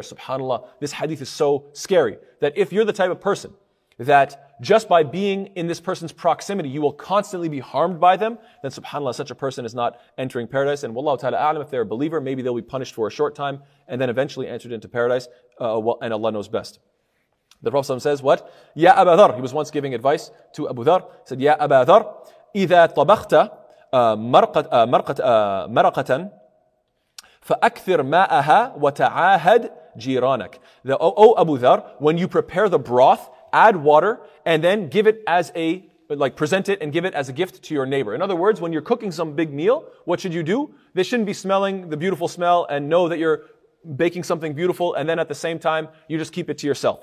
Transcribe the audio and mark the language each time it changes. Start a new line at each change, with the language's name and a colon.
English: SubhanAllah, this hadith is so scary that if you're the type of person that just by being in this person's proximity, you will constantly be harmed by them, then subhanAllah, such a person is not entering paradise. And wallahu ta'ala a'lam, if they're a believer, maybe they'll be punished for a short time and then eventually entered into paradise, and Allah knows best. The Prophet says what? Ya Aba Dhar. He was once giving advice to Abu Dhar. He said,
Arabic: Ya Aba Dhar, إذا طبخت مرقة فأكثر ماءها وتعاهد جيرانك.
English: Abu Dhar, when you prepare the broth, add water and then give it as a, like present it and give it as a gift to your neighbor. In other words, when you're cooking some big meal, what should you do? They shouldn't be smelling the beautiful smell and know that you're baking something beautiful, and then at the same time, you just keep it to yourself.